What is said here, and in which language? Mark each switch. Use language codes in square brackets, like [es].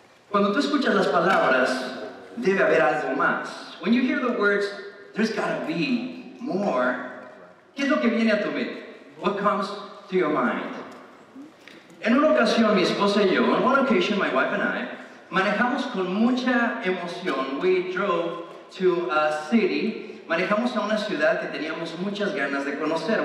[es] Cuando tú escuchas las palabras, debe haber algo más. [en] When you hear the words, there's gotta be more. [es] ¿Qué es lo que viene a tu mente? [en] What comes to your mind? [es] En una ocasión, mi esposa y yo, [en] on one occasion, my wife and I, [es] manejamos con mucha emoción. [en] We drove to a city. [es] Manejamos a una ciudad que teníamos muchas ganas de conocer.